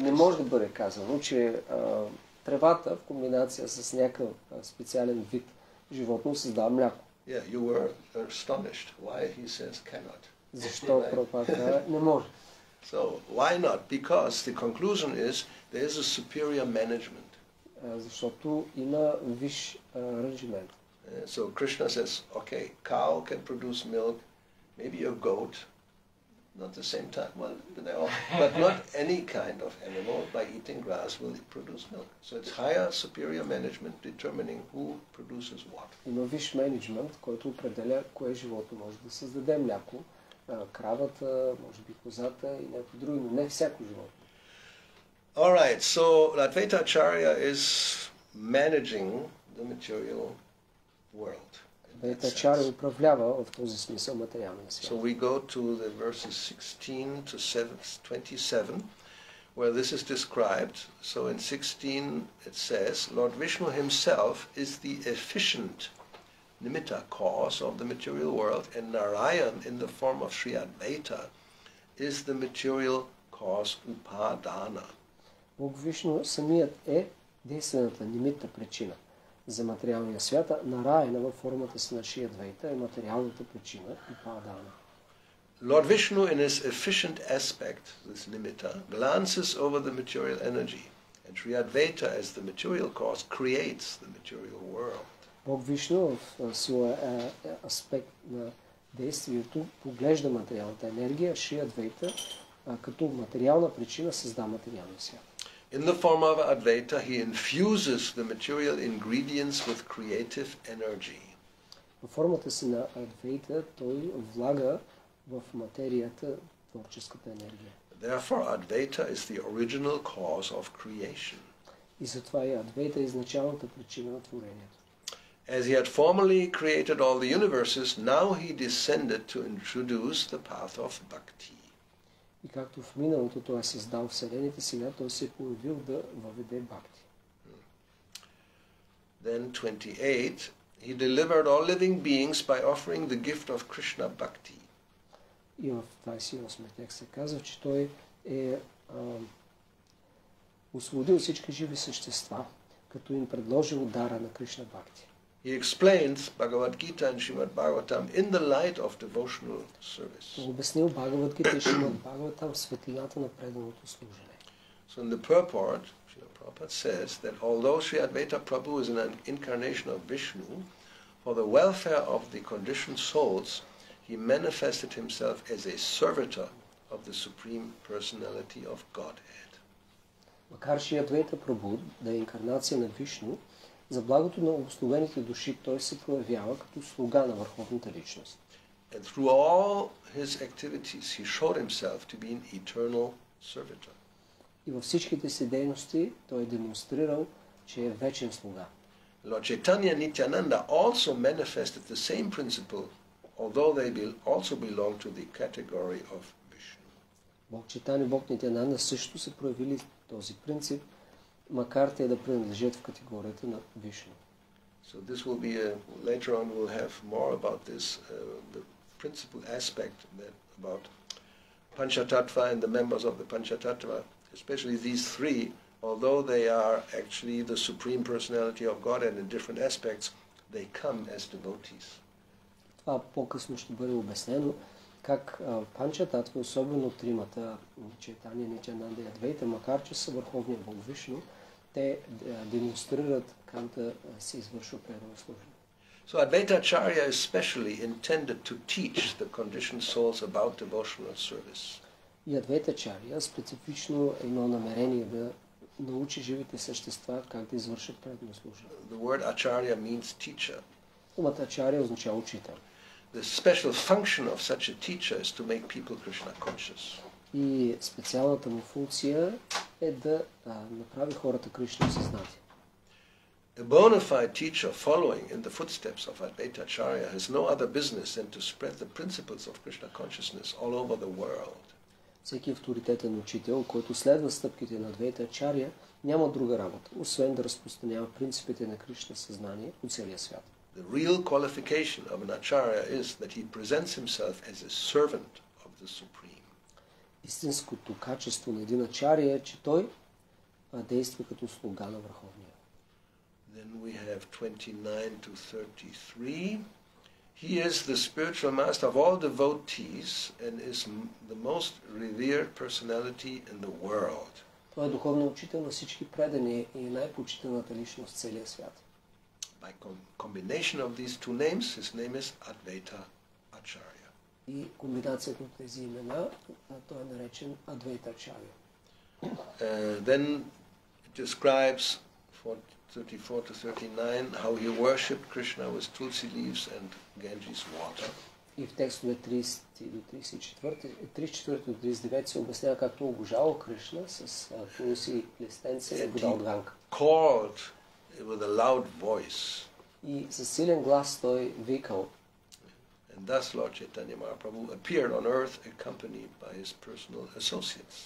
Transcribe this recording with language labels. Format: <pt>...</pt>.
<bg>Не може да бъде казано, че тревата в комбинация с някакъв специален вид животно създава мляко.</bg> <en>Yeah, you were astonished why he says cannot.</en> <bg>Защо пропада не може?</bg> <en>So why not? Because the conclusion is there is a superior management.</en> <bg>Защото има виш менеджмент.</bg> <en>So Krishna says, okay, cow can produce milk, maybe a goat, not the same time, well, they all, but not any kind of animal by eating grass will it produce milk. So it's higher superior management determining who produces what.</en> <bg>Има виш менеджмент, който определя кое животно може да създаде мляко, кравата, може би козата и някои други, но не всяко животно.</bg> <en>All right, so Advaita Acharya is managing the material world.</en> <bg>Ачаря управлява в този смисъл материалния свят.</bg> <en>So we go to the verses 16 to 27 where this is described. So in 16 it says Lord Vishnu himself is the efficient nimitta cause of the material world and Narayan in the form of Sri Advaita is the material cause upadana.</en> <bg>Бог Вишну самият е действената нимитта причина за материалния свят, Нараяна във формата си на Шри Адвайта е материалната причина и Падана.</bg> <en>Lord Vishnu in his efficient aspect, this nimitta, glances over the material energy And Sri Advaita, as the material cause, creates the material world.</en> <bg>Бог Вишну в своя аспект на действието поглежда материалната енергия, Шри Адвайта, като материална причина създава материалния свят.</bg> <en>In the form of Advaita, he infuses the material ingredients with creative energy.</en> <bg>Във формата си на Адвайта, той влага в материята творческата енергия.</bg> <en>Therefore, Advaita is the original cause of creation.</en> <bg>И затова и Адвайта е изначалната причина на творението.</bg> <en>As he had formerly created all the universes, now he descended to introduce the path of bhakti.</en> <bg>И както в миналото той е създал вселените, сега той се появил да въведе бхакти.</bg> <en>Then 28, he delivered all living beings by offering the gift of Krishna bhakti.</en> <bg>И в 28 текст се казва, че той е освободил всички живи същества, като им предложил дара на Кришна бхакти.</bg> <en>He explains Bhagavad Gita and Srimad Bhagavatam in the light of devotional service.</en> <bg>Обяснил Бхагавад Гита и Шримад Бхагаватам в светлината на преданото служение.</bg> <en>So in the purport, Srila Prabhupada says that although Sri Advaita Prabhu is an incarnation of Vishnu, for the welfare of the conditioned souls, he manifested himself as a servitor of the Supreme Personality of Godhead.</en> <bg>Макар Шри Адвайта Прабху да е инкарнация на Вишну, за благото на обусловените души той се проявява като слуга на Върховната личност.</bg> <en>And through all his activities he showed himself to be an eternal servitor.</en> <bg>И във всичките си дейности той е демонстрирал, че е вечен слуга.</bg> <en>Lord Chaitanya Nityananda also manifested the same principle, although they also belong to the category of Vishnu.</en> <bg>Бог Чайтанья и Бог Нитянанда също са проявили този принцип, макар те да принадлежат в категорията на Вишну.</bg> <en>So this will be later on we'll have more about this the principal aspect that about Panchatattva and the members of the Panchatattva, especially these three, although they are actually the Supreme Personality of God and in different aspects, they come as devotees.</en> <bg>Това по-късно ще бъде обяснено, как Панчататва, особено тримата, Чайтанья, Нитянанда и Адвайта, макар че са върховния Бог Вишну, те демонстрират как да се извършва предано служение.</bg> <en>So Advaita Acharya is specially intended to teach the conditioned souls about devotional service.</en> <bg>И Адвайта Ачарья специфично има намерение да научи живите същества как да извършат предано служение.</bg> <en>The word Acharya means teacher.</en> <bg>Думата Ачарья означава учител.</bg> <en>The special function of such a teacher is to make people Krishna conscious.</en> <bg>И специалната му функция е да направи хората Кришна осъзнати.</bg> <en>A bona fide teacher following in the footsteps of Advaita Acharya has no other business than to spread the principles of Krishna consciousness all over the world.</en> <bg>Всеки авторитетен учител, който следва стъпките на Адвайта Ачарья, няма друга работа, освен да разпространява принципите на Кришна съзнание по целия свят.</bg> <en>The real qualification of an acharya is that he presents himself as a servant of the Supreme.</en> <bg>Истинското качество на един ачарья е, че той действа като слуга на Върховния.</bg> <en>Then we have 29 to 33. He is the spiritual master of all devotees and is the most revered personality in the world.</en> <bg>Той е духовният учител на всички предани и най-почитаната личност в целия свят.</bg> <en>By combination of these two names, his name is Advaita Acharya.</en> <bg>И комбинацията от тези имена, той е наречен Адвайта Ачарья.</bg> <en>Then it describes 34-39 how he worshipped Krishna with tulsi leaves and Ganges water.</en> <bg>И в текстове 34-39 се обяснява както обожавал Кришна с тулси листенце и вода от Ганга.</bg> <en>Called with a loud voice.</en> <bg>И със силен глас той викал.</bg> <en>And thus Lord Chaitanya Mahaprabhu appeared on earth accompanied by his personal associates.</en>